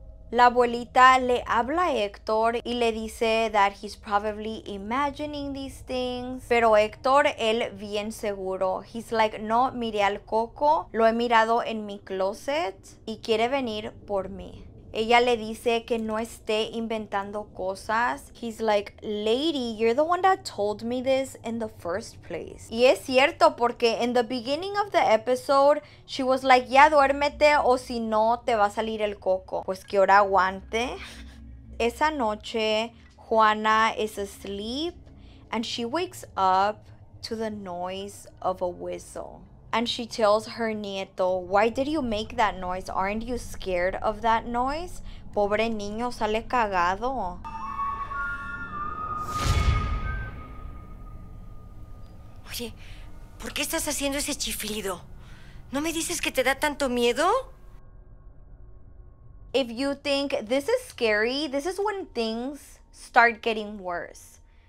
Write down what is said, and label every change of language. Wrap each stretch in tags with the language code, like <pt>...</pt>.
<es>La abuelita le habla a Héctor y le dice</es> <en>that he's probably imagining these things.</en> <es>Pero Héctor, él bien seguro.</es> <en>He's like,</en> <es>no, miré al coco, lo he mirado en mi closet y quiere venir por mí. Ella le dice que no esté inventando cosas.</es> <en>He's like, lady, you're the one that told me this in the first place.</en> <es>Y es cierto porque</es> <en>in the beginning of the episode, she was like,</en> <es>ya duérmete o si no te va a salir el coco. Pues que ahora aguante. Esa noche,</es> <en>Juana is asleep and she wakes up to the noise of a whistle. And she tells her nieto, why did you make that noise? Aren't you scared of that noise?</en> <es>Pobre niño, sale cagado. Oye, ¿por qué estás haciendo ese chiflido? ¿No me dices que te da tanto miedo?</es> <en>If you think this is scary, this is when things start getting worse.</en>